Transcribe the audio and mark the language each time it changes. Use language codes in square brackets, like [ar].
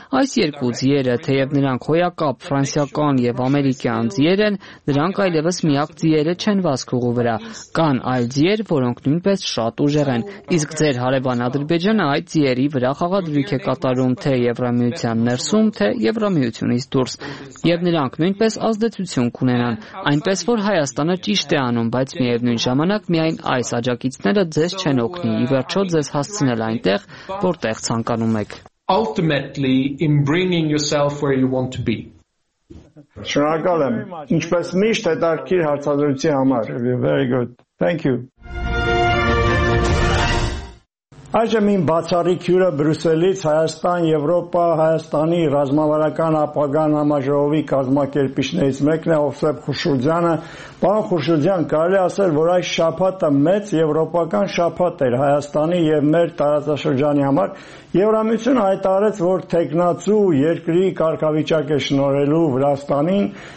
[hy] այս երկու ձիերը, թեև նրանք հոյակապ ֆրանսիական եւ ամերիկյան ձիեր են, նրանք այլևս միակ ձիերը չեն վասկուղու վրա, կան այլ ձիեր, որոնք նույնպես շատ ուժեղ են, իսկ ձեր հարևան Ադրբեջանը այդ ձիերի վրա խաղադրույք է կատարում, թե Եվրամիության ներսում, թե Եվրամիությունից դուրս, եւ նրանք նույնպես ազդեցություն կունենան, այնպես որ Հայաստանը ճիշտ է անում, բայց միևնույն ժամանակ միայն այս աջակիցները ձեզ չեն օգնի ի վերջո ձեզ հասցնել այնտեղ, որտեղ ցանկանում եք։ [en] Ultimately in bringing yourself where you want to be. [hy] Շնորհակալ եմ։ Ինչպես միշտ հետաքրքիր հարցազրույցի համար։ [en] Very good. Thank you. [hy] Այժմ իմ բացառիկ հյուրը Բրյուսելից Հայաստան-Եվրոպա Հայաստանի ռազմավարական ապագան համաժողովի կազմակերպիչներից մեկն է, Օֆսեփ Խուրշուդյանը։ Պարոն Խուրշուդյան, կարելի ասել, որ այս շաբաթը մեծ եվրոպական շաբաթ էր Հայաստանի եւ մեր տարածաշրջանի համար։ Եվրամիությունը հայտարարեց, որ թեկնածու երկրի կարգավիճակ է շնորհելու Վրաստանին,